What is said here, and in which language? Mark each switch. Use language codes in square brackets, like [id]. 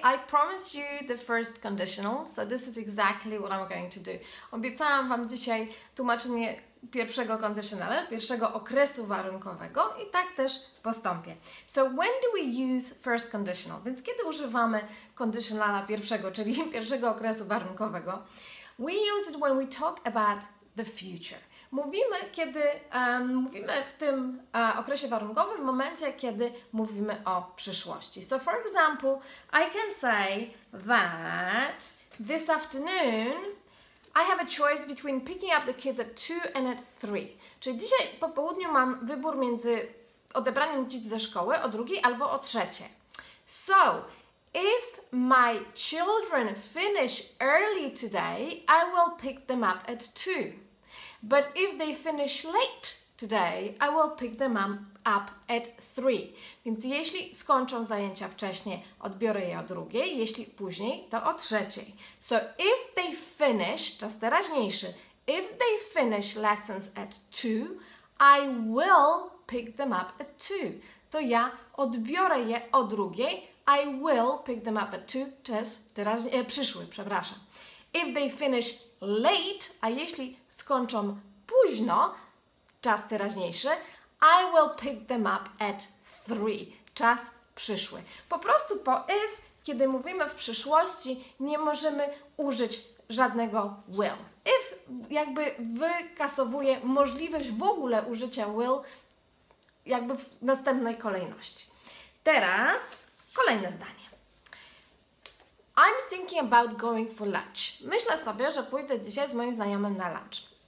[en] I promised you the first conditional, so this is exactly what I'm going to do. [pl] Obiecałam Wam dzisiaj tłumaczenie pierwszego conditionala, pierwszego okresu warunkowego i tak też postąpię. [en] So when do we use first conditional? [pl] Więc kiedy używamy conditionala pierwszego, czyli pierwszego okresu warunkowego? [en] We use it when we talk about the future. [pl] Mówimy, kiedy mówimy w tym okresie warunkowym, w momencie, kiedy mówimy o przyszłości. [en] So, for example, I can say that this afternoon I have a choice between picking up the kids at 2 and at 3. [pl] Czyli dzisiaj po południu mam wybór między odebraniem dzieci ze szkoły o 2 albo o 3. [en] So, if my children finish early today, I will pick them up at 2. But if they finish late today, I will pick them up at 3. [pl] Więc jeśli skończą zajęcia wcześniej, odbiorę je o 2, jeśli później, to o 3. [en] So if they finish, [pl] czas teraźniejszy, [en] if they finish lessons at 2, I will pick them up at 2. [pl] To ja odbiorę je o 2, [en] I will pick them up at 2, [pl] czas przyszły, przepraszam. [en] If they finish late, [pl] a jeśli skończą późno, czas teraźniejszy, [en] I will pick them up at 3, [pl] czas przyszły. Po prostu po if, kiedy mówimy w przyszłości, nie możemy użyć żadnego will. If jakby wykasowuje możliwość w ogóle użycia will jakby w następnej kolejności. Teraz kolejne zdanie. [en] I'm thinking about going for lunch. [pl] Myślę sobie, że pójdę dzisiaj z moim znajomym na lunch.